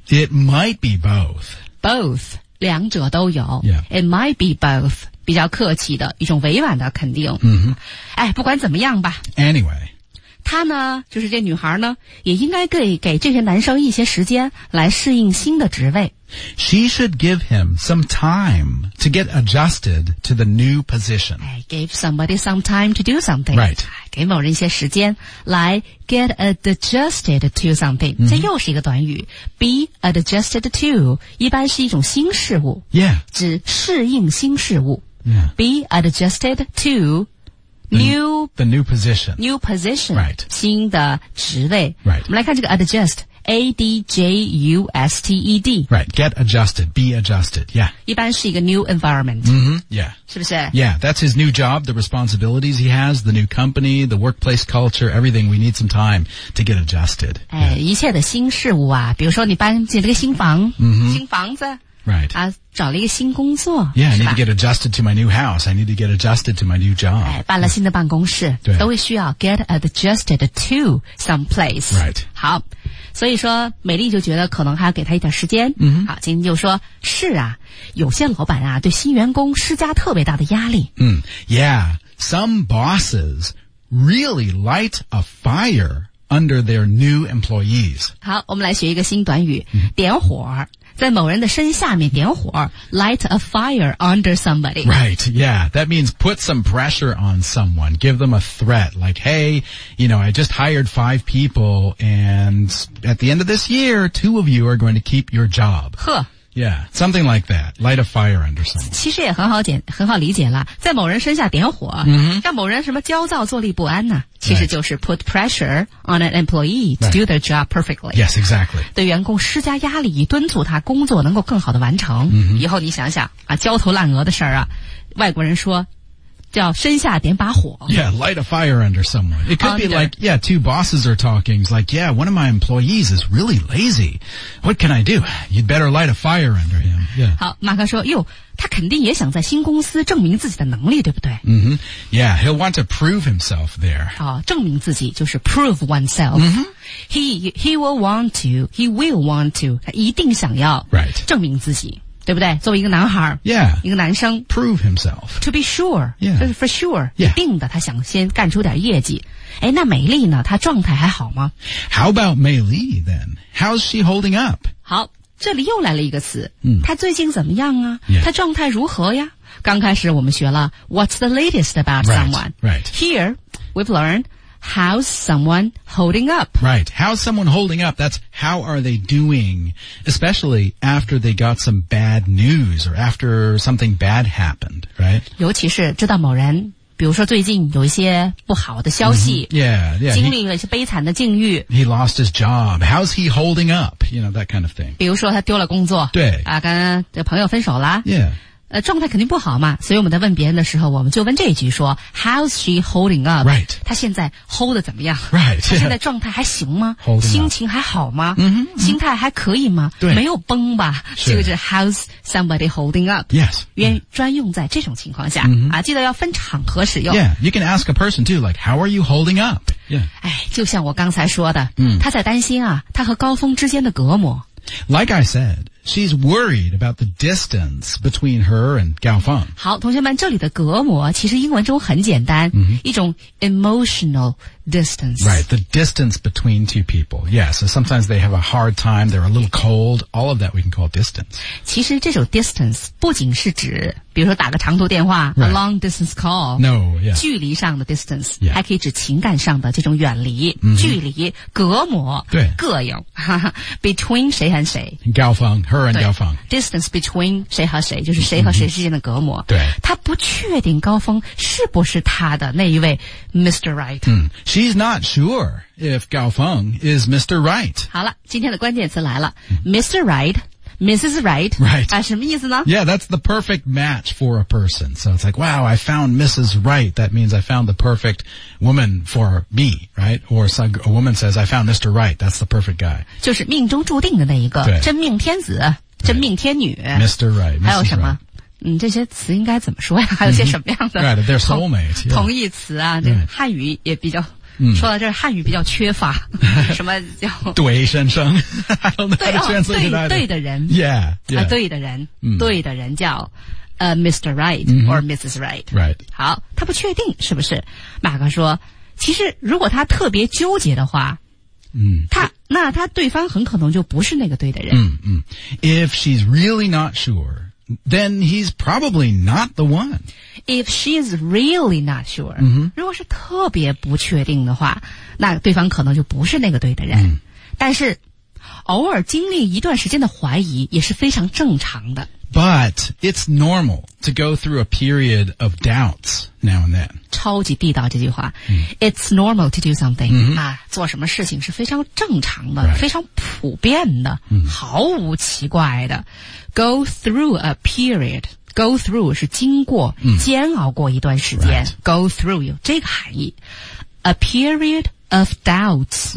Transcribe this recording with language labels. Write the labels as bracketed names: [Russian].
[English] It might be both. Both, [Chinese] 两者都有。 [English] Yeah. It might be both, [Chinese] 比较客气的一种委婉的肯定。 [English] Mm-hmm. [Chinese] 哎，不管怎么样吧。 [English] Anyway. [Chinese] 她呢，就是这女孩呢，也应该给这些男生一些时间来适应新的职位。 [English] She should give him some time to get adjusted to the new position. Give somebody some time to do something. Right. [Chinese] 给某人一些时间来 [English] get adjusted to something.、 Mm-hmm. [Chinese] 这又是一个短语。 [English] Be adjusted to [Chinese] 一般是一种新事物。 [English] Yeah. [Chinese] 指适应新事物。 [English] Yeah. Be adjusted to the new position. New position. Right. [Chinese] 新的职位。 [English] Right. [Chinese] 我们来看这个 adjust. A-D-J-U-S-T-E-D. [English] Right, get adjusted, be adjusted, yeah. [Chinese] 一般是一个 [English] new environment. Mm-hmm, yeah. [Chinese] 是不是? [English] Yeah, that's his new job, the responsibilities he has, the new company, the workplace culture, everything. We need some time to get adjusted.、 [Chinese] 哎 yeah. 一切的新事物啊,比如说你搬进这个新房, [English] mm-hmm. [Chinese] 新房子。 [English] Right. [Chinese] 啊找了一个新工作。 [English] Yeah, I need to get adjusted to my new house. I need to get adjusted to my new job. [Chinese] 哎办了新的办公室。对。都会需要 [English] get adjusted to someplace. Right. [Chinese] 好。所以说美丽就觉得可能还要给他一点时间。嗯。好今天就说是啊有些老板啊对新员工施加特别大的压力。嗯。 [English] Yeah, some bosses really light a fire under their new employees. [Chinese] 好我们来学一个新短语、mm-hmm. 点火。在某人的身下面点火 [English] light a fire under somebody. Right, yeah, that means put some pressure on someone, give them a threat, like, hey, you know, I just hired 5 people, and at the end of this year, 2 of you are going to keep your job. 呵。 Yeah, something like that, light a fire under someone. [Chinese] 其实也很好理解了，在某人身下点火、 [English] mm-hmm. [Chinese] 让某人什么焦躁坐立不安呢其实就是 [English] put pressure on an employee to、 right. do their job perfectly. Yes, exactly. [Chinese] 对员工施加压力以敦促他工作能够更好的完成、 [English] mm-hmm. [Chinese] 以后你想想啊，焦头烂额的事儿啊，外国人说叫身下点把火 [English] Yeah, light a fire under someone. It could、 under. Be like, yeah, two bosses are talking. It's like, yeah, one of my employees is really lazy. What can I do? You'd better light a fire under him. Yeah. [Chinese] 好马克说哟他肯定也想在新公司证明自己的能力对不对、 [English] mm-hmm. Yeah, he'll want to prove himself there.、 [Chinese] 哦、证明自己就是 [English] prove oneself.、 Mm-hmm. He will want to. [Chinese] 他一定想要证明自己。 [English] Right. [Chinese] 对不对作为一个男孩 [English] yeah, [Chinese] 一个男生 [English] prove himself to be sure、 yeah. [Chinese] 就是 [English] for sure、 yeah. [Chinese] 一定的他想先干出点业绩诶那美丽呢她状态还好吗 [English] How about 美丽 then? How's she holding up? [Chinese] 好这里又来了一个词、 [English] mm. [Chinese] 她最近怎么样啊、 [English] yeah. [Chinese] 她状态如何呀刚开始我们学了 [English] What's the latest about someone? Right, right. Here we've learnedHow's someone holding up? Right. How's someone holding up? That's how are they doing, especially after they got some bad news or after something bad happened, right? [Chinese] 尤其是知道某人比如说最近有一些不好的消息、 [English] mm-hmm. yeah, yeah, [Chinese] 经历了一些悲惨的境遇 [English] he lost his job, how's he holding up, you know, that kind of thing [Chinese] 比如说他丢了工作对啊，跟朋友分手了 [English] yeah. [Chinese] 状态肯定不好嘛所以我们在问别人的时候我们就问这一句说 [English] how's she holding up Right. [Chinese] 他现在 hold 得怎么样 [English] Right. [Chinese] 他现在状态还行吗 [English] holding [Chinese] 心情还好吗 [English] mm-hmm, mm-hmm. [Chinese] 心态还可以吗对没有崩吧这个是 [English] how'sSomebody holding up. Yes. [Chinese] 专用在这种情况下、 [English] mm-hmm. [Chinese] 啊、记得要分场合使用。 [English] Yeah, you can ask a person too, like, how are you holding up? Yeah. [Chinese] 哎，就像我刚才说的、 [English] mm. [Chinese] 他在担心啊，他和高峰之间的隔膜。 [English] Like I said, she's worried about the distance between her and Gao Feng. [Chinese] 好，同学们，这里的隔膜其实英文中很简单、 [English] mm-hmm. [Chinese] 一种 [English] emotional distance. Right, the distance between two people. Yeah, so sometimes they have a hard time, they're a little cold, all of that we can call distance. [Chinese] 其实这种 distance 不仅是指比如说打个长途电话、 [English] right. a long distance call. No, yeah. [Chinese] 距离上的 distance、 [English] yeah. [Chinese] 还可以指情感上的这种远离、 [English] mm-hmm. [Chinese] 距离隔膜对膈应 between 谁和谁 [English] Gao Feng, her and Gao Feng. Distance between [Chinese] 谁和谁就是谁和谁之间的隔膜、 mm-hmm. 对他不确定高峰是不是他的那一位 Mr. [English] Right. 嗯、mm. She's not sure if Gao Feng is Mr. Right. [Chinese] 好了，今天的关键词来了、mm-hmm. [English] Mr. Right, Mrs. Right. Right. [Chinese] 啊，什么意思呢？ [English] Yeah, that's the perfect match for a person. So it's like, wow, I found Mrs. Right. That means I found the perfect woman for me, right? Or a woman says, I found Mr. Right. That's the perfect guy. [Chinese] 就是命中注定的那一个，真命天子，真命天女。 [English] Mr. Right, Mrs. Right. [Chinese] 还有什么？嗯，这些词应该怎么说呀？还有些什么样的、 [English] mm-hmm. right, they're soulmates, [Chinese] 同义词啊？ [English] Yeah. [Chinese] 这汉语也比较、 [English] mm-hmm. [Chinese] 说到这儿，汉语比较缺乏什么叫对先生？对先生，对的人 [English] ，Yeah，, yeah.、 [Chinese] 对的人， [English] mm-hmm. [Chinese] 对的人叫 [English] Mr. Right or Mrs. Right。 Right， [Chinese] 好，他不确定是不是？马哥说，其实如果他特别纠结的话。嗯、他对方很可能就不是那个对的人。 [English] 嗯嗯 ，If she's really not sure, then he's probably not the one. If she's really not sure,、 mm-hmm. [Chinese] 如果是特别不确定的话，那对方可能就不是那个对的人。嗯、但是，偶尔经历一段时间的怀疑也是非常正常的。 [English] But it's normal to go through a period of doubts now and then. [Chinese] 超级地道这句话、 [English] It's normal to do something、 mm-hmm. [Chinese] 啊、做什么事情是非常正常的、 [English] right. [Chinese] 非常普遍的、毫无奇怪的 [English] Go through a period Go through [Chinese] 是经过、煎熬过一段时间、 [English] right. Go through [Chinese] 有这个含义 [English] A period of doubts、